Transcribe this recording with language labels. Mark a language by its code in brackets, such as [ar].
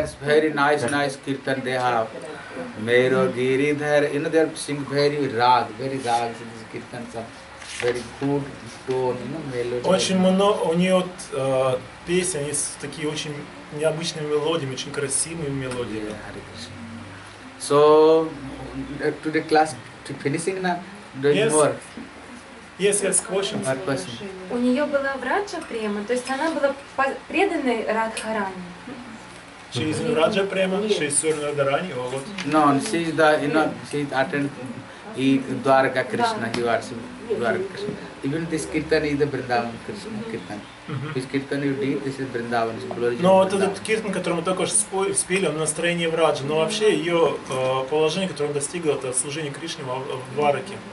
[en] Kirtan they have Mero Giri there, you know, they are sing very rag, so this kirtan some very good tone, you know, melody. [ru] Очень много у нее песен есть такие очень необычные мелодии, очень красивые мелодии. [en] Yeah, Hare Krishna. So today class to finishing now, doing yes. more. Yes, yes, questions. What question? [ru] У нее была врача према, то есть она была преданной Радхарани. [en] She is in Raja Prema, she is Surya Radharani, or what? No, she is the, you know, she is attending Dwaraka Krishna, he worships Dwaraka Krishna. Even this Kirtan is the Vrindavan Krishna, Kirtan. Mm-hmm. This Kirtan you did, this is Vrindavan. [ru] No, вот этот Kirtan, который мы только что спели, он в настроении в Раджа. Но вообще ее положение, которое он достигла, это служение Кришне в Двараке.